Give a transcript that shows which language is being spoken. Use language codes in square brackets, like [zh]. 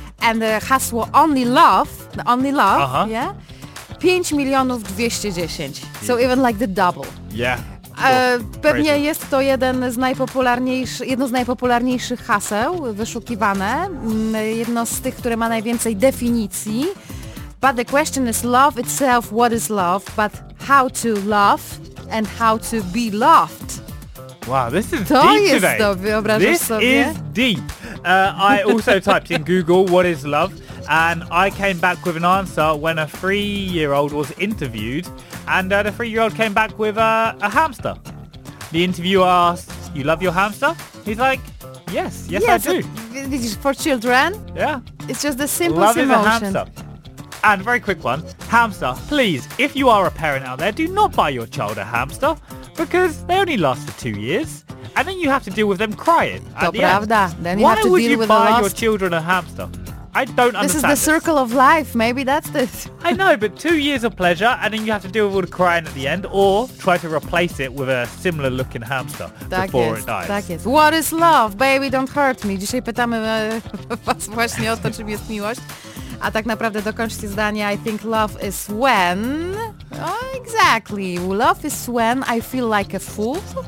[en] And the hasło only love, uh-huh. Yeah? 5 210 000. So even like the double. Yeah. [pl] Pewnie jest to jedno z najpopularniejszych haseł wyszukiwane, jedno z tych, które ma najwięcej definicji. [en] But the question is love itself, what is love, but how to love and how to be loved. Wow, this is to deep today. [pl] To jest to, wyobrażasz [en] this [pl] sobie? [en] This is deep. I also typed in Google, what is love, and I came back with an answer when a 3-year-old was interviewed. And the 3-year-old came back with a hamster. The interviewer asked, you love your hamster? He's like, yes, I do. It's for children? Yeah. It's just the simplest emotion. Love is a hamster. And very quick one. Hamster, please, if you are a parent out there, do not buy your child a hamster because they only last for 2 years. And then you have to deal with them crying. Why would you buy your children a hamster? I don't understand. This is the circle of life. Maybe that's this. I know, but 2 years of pleasure and then you have to deal with all the crying at the end or try to replace it with a similar looking hamster before it dies. [pl] Tak jest. [en] What is love? Baby, don't hurt me. [pl] Dzisiaj pytamy was właśnie o to, czym jest miłość. A tak naprawdę dokończcie zdanie. [en] I think love is when... Oh, exactly. Love is when I feel like a fool.